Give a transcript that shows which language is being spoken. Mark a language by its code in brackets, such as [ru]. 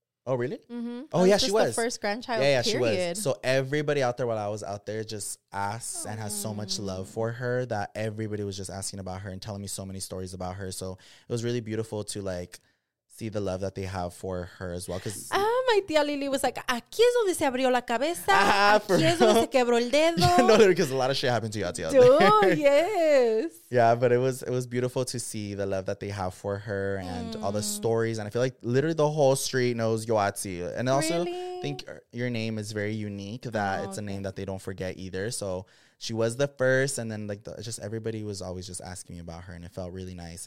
[en] Oh, really? Mm-hmm. Oh, yeah, she was. The first grandchild, period. Yeah, she was. So everybody out there while I was out there just asks and has so much love for her that everybody was just asking about her and telling me so many stories about her. So it was really beautiful to, like, see the love that they have for her as well. Because My tía Lily was like, [es] aquí es donde se abrió la cabeza. Aquí es donde se quebró el dedo. [en] No, because a lot of shit happened to you, tía. Oh, yes. Yeah, but it was beautiful to see the love that they have for her and all the stories. And I feel like literally the whole street knows Yoatsi. And also, really? I think your name is very unique that it's a name that they don't forget either. So she was the first. And then just everybody was always just asking me about her. And it felt really nice.